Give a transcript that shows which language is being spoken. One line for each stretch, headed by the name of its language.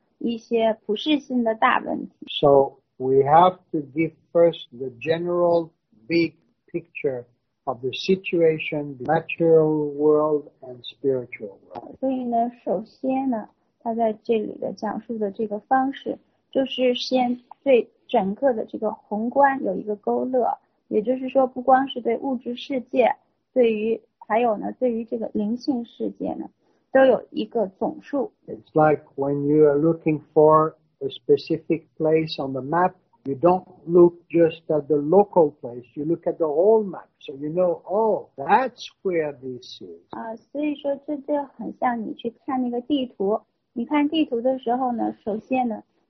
Chinese: 那些问题呢是宇宙性的，它是一些普世性的大问题。
English: So we have to give first the general big picture of the situation, the material world and spiritual world.
Chinese: 所以呢，首先呢，他在这里的讲述的这个方式。就是先对整个的这个宏观有一个勾勒，也就是说，不光是对物质世界，对于还有呢，对于这个灵性世界呢，都有一个总数。It's
English: like when you are looking for a specific place on the map, you don't look just at the local place, you look at the whole map, so you know, oh, that's where this is.
Chinese: 所以说这就很像你去看那个地图，你看地图的时候呢，首先呢。